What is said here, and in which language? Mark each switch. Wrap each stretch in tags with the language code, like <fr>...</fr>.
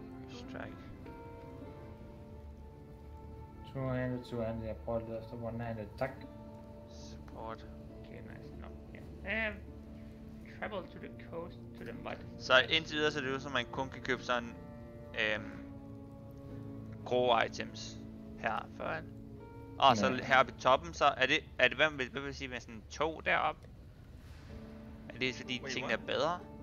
<en>Strike.</en> <da>Two-handed, jeg prøver lige efter one-handed, tak.</da> <en>Support. Okay, nice. No. Travel to the coast, to the mud.</en> <da>Så indtil videre, så er det jo som, man kun kan købe sådan, grå items her foran. Og så heroppe i toppen, så er det, hvad vil sige, med sådan to deroppe? Er det fordi tingene er bedre?</da>